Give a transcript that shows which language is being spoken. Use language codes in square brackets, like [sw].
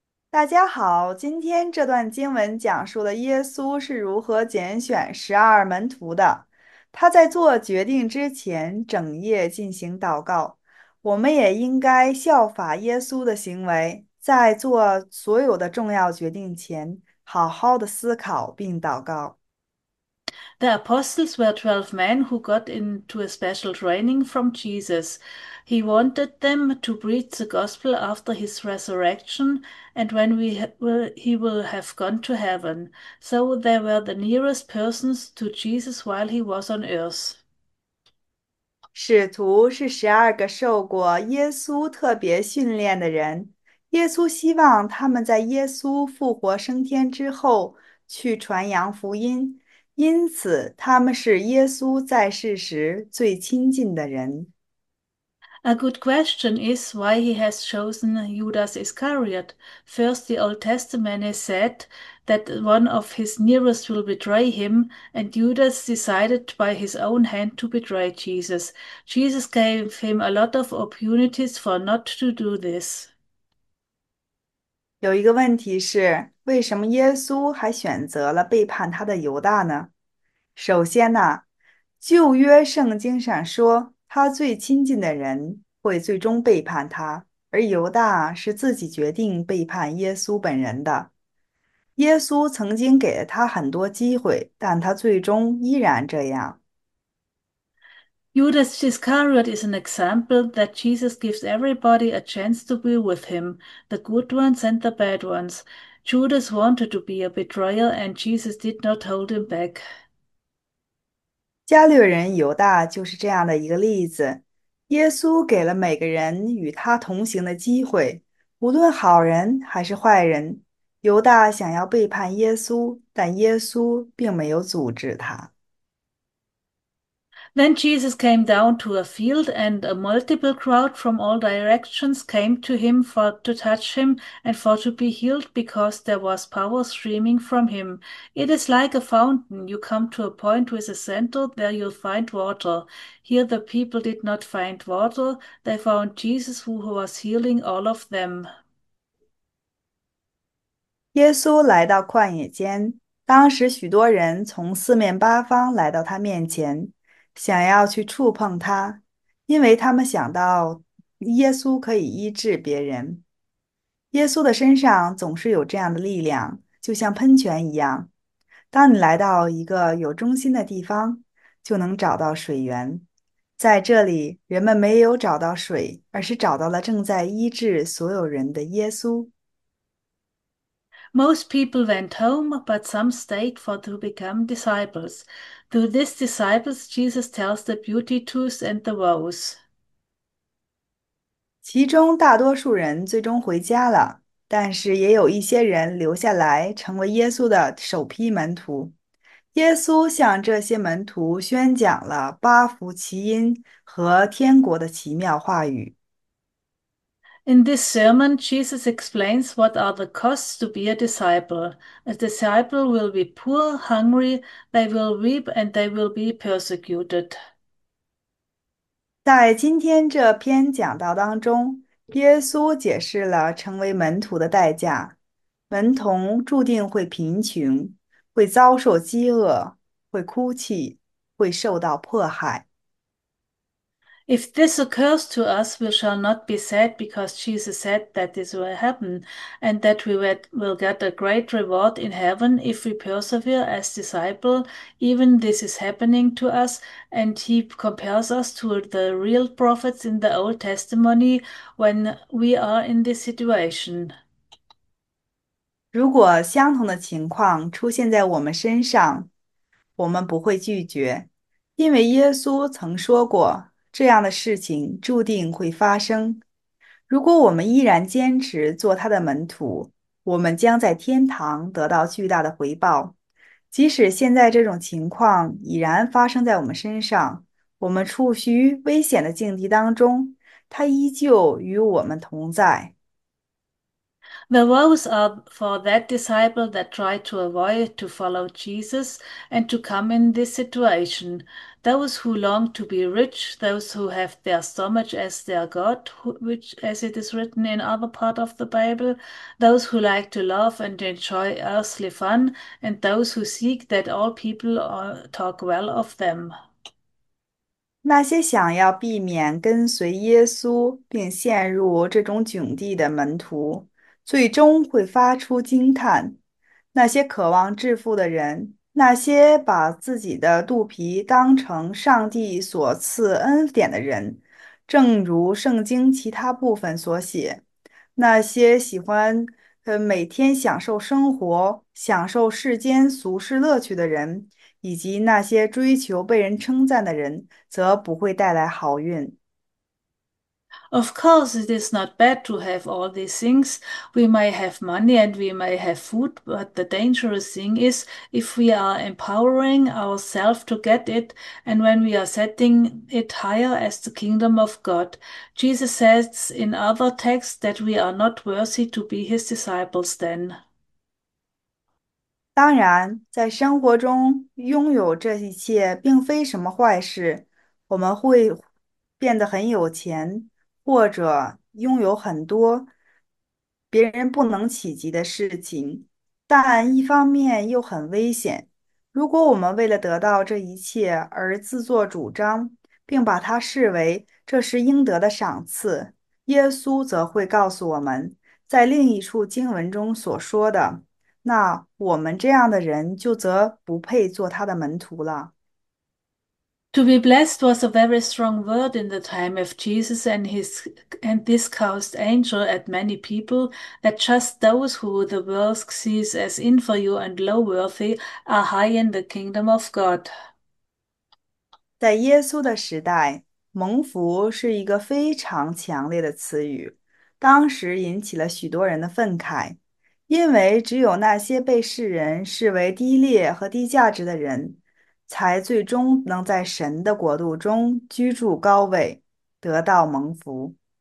[zh] 大家好，今天这段经文讲述了耶稣是如何拣选12门徒的。他在做决定之前，整夜进行祷告。我们也应该效法耶稣的行为，在做所有的重要决定前，好好的思考并祷告。 [en] The apostles were 12 men who got into a special training from Jesus. He wanted them to preach the gospel after his resurrection and when he will have gone to heaven. So they were the nearest persons to Jesus while he was on earth. [zh] 使徒是12个受过耶稣特别训练的人。耶稣希望他们在耶稣复活升天之后去传扬福音，因此他们是耶稣在世时最亲近的人。 [en] A good question is why he has chosen Judas Iscariot. First, the Old Testament is said that one of his nearest will betray him, and Judas decided by his own hand to betray Jesus. Jesus gave him a lot of opportunities for not to do this. [zh] 有一个问题是，为什么耶稣还选择了背叛他的犹大呢？首先呢，旧约圣经上说，他最亲近的人会最终背叛他，而犹大是自己决定背叛耶稣本人的。耶稣曾经给了他很多机会，但他最终依然这样。 [en] Judas Iscariot is an example that Jesus gives everybody a chance to be with him, the good ones and the bad ones. Judas wanted to be a betrayer, and Jesus did not hold him back. [zh] 加略人犹大就是这样的一个例子。耶稣给了每个人与他同行的机会，无论好人还是坏人。犹大想要背叛耶稣，但耶稣并没有阻止他。 [en] Then Jesus came down to a field, and a multiple crowd from all directions came to him to touch him and for to be healed because there was power streaming from him. It is like a fountain. You come to a point with a center, there you'll find water. Here the people did not find water, they found Jesus who was healing all of them. [zh] 耶稣来到旷野间，当时许多人从四面八方来到他面前，想要去触碰他，因为他们想到耶稣可以医治别人。耶稣的身上总是有这样的力量，就像喷泉一样。当你来到一个有中心的地方，就能找到水源。在这里，人们没有找到水，而是找到了正在医治所有人的耶稣。 [en] Most people went home, but some stayed for to become disciples. Through these disciples, Jesus tells the beatitudes and the vows. [zh] 其中大多数人最终回家了，但是也有一些人留下来成为耶稣的首批门徒。耶稣向这些门徒宣讲了八福其因和天国的奇妙话语。 [en] In this sermon, Jesus explains what are the costs to be a disciple. A disciple will be poor, hungry, they will weep, and they will be persecuted. [zh] 在今天这篇讲道当中，耶稣解释了成为门徒的代价。门徒注定会贫穷，会遭受饥饿，会哭泣，会受到迫害。 [en] If this occurs to us, we shall not be sad because Jesus said that this will happen and that we will get a great reward in heaven if we persevere as disciples. Even this is happening to us, and he compares us to the real prophets in the Old Testament when we are in this situation. [zh] 如果相同的情况出现在我们身上，我们不会拒绝，因为耶稣曾说过，这样的事情注定会发生。如果我们依然坚持做他的门徒，我们将在天堂得到巨大的回报。即使现在这种情况已然发生在我们身上，我们处于危险的境地当中，他依旧与我们同在。 [en] The vows are for that disciple that tried to avoid to follow Jesus and to come in this situation. Those who long to be rich, those who have their stomach as their God, which, as it is written in other part of the Bible, those who like to love and enjoy earthly fun, and those who seek that all people talk well of them. [zh] 那些想要避免跟随耶稣并陷入这种窘地的门徒，最终会发出惊叹。那些渴望致富的人，那些把自己的肚皮当成上帝所赐恩典的人，正如圣经其他部分所写，那些喜欢每天享受生活、享受世间俗世乐趣的人。以及那些追求被人称赞的人，则不会带来好运。 [en] Of course, it is not bad to have all these things. We may have money and we may have food, but the dangerous thing is if we are empowering ourselves to get it and when we are setting it higher as the kingdom of God. Jesus says in other texts that we are not worthy to be his disciples then. [zh] 当然，在生活中拥有这一切并非什么坏事。我们会变得很有钱，或者拥有很多别人不能企及的事情，但一方面又很危险。如果我们为了得到这一切而自作主张，并把它视为这是应得的赏赐，耶稣则会告诉我们，在另一处经文中所说的。那我们这样的人就则不配做他的门徒了。 [en] To be blessed was a very strong word in the time of Jesus, and this caused anger at many people that just those who the world sees as inferior and low worthy are high in the kingdom of God. [zh] 在耶稣的时代，蒙福是一个非常强烈的词语，当时引起了许多人的愤慨，因为只有那些被世人视为低劣和低价值的人，才最终能在神的国度中居住高位，得到蒙福。